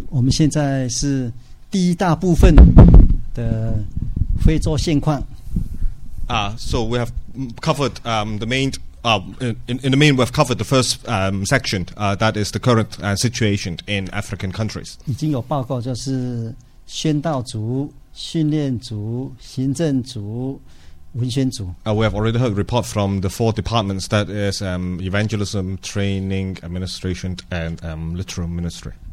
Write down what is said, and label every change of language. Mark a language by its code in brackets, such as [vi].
[zh] 现在是第一大部分的非洲现况。 [en] So we have covered the main in the main we have covered the first section that is the current situation in African countries. [zh] 已经有报告，就是宣道族、训练族、行政族、文宣族。 [en] We have already heard a report from the four departments that is evangelism, training, administration, and literal ministry.